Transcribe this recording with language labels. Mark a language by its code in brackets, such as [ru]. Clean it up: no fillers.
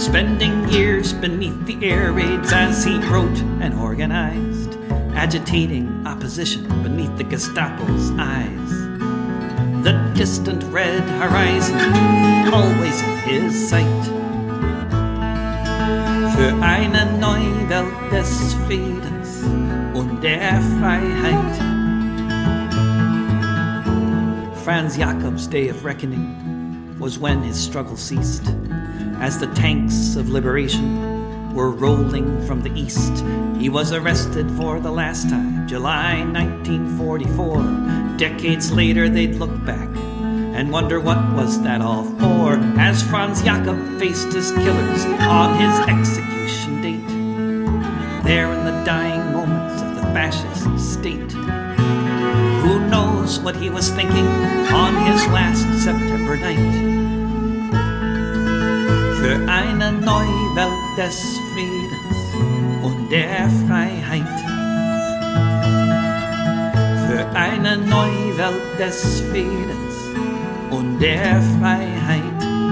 [en] Spending years beneath the air raids as he wrote and organized, agitating opposition beneath the Gestapo's eyes. The distant red horizon, always in his sight. [de] Für eine neue Welt des Friedens und der Freiheit. [en] Franz Jakob's day of reckoning was when his struggle ceased, as the tanks of liberation were rolling from the east. He was arrested for the last time, July 1944. Decades later, they'd look back and wonder what was that all for. As Franz Jakob faced his killers on his execution date, there in the dying moments of the fascist state, who knows what he was thinking on his last September night. [de] Für eine neue Welt des Friedens und der Freiheit. Für eine neue Welt des Friedens und der Freiheit.